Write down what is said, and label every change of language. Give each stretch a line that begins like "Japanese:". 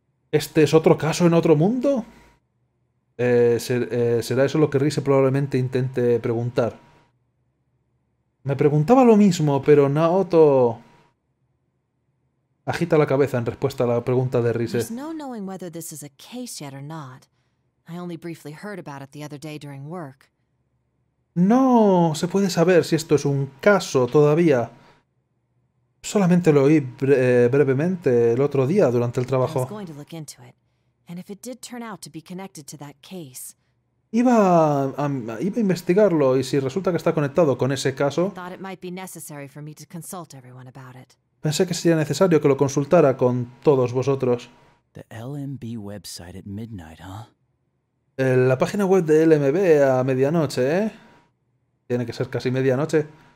Spanish: ¿Este es otro caso en otro mundo? ¿Será eso lo que Rise probablemente intente preguntar? Me preguntaba lo mismo, pero Naoto agita la cabeza en respuesta a la pregunta de Rise.
English: There's no knowing whether this is a case yet or not. I only briefly heard about it the other day during work.
Spanish: No se puede saber si esto es un caso todavía. Solamente lo oí brevemente el otro día durante el trabajo.
English: I was going to look into it, and if it did turn out to be connected to that case.
Spanish: Iba a investigarlo y si resulta que está conectado con ese caso.
English: I thought it might be necessary for me to consult everyone about it.
Spanish: Pensé que sería necesario que lo consultara con todos vosotros.
English: The LMB website at midnight, huh?
Spanish: La página web de LMB a medianoche, ¿eh? Tiene que ser casi medianoche.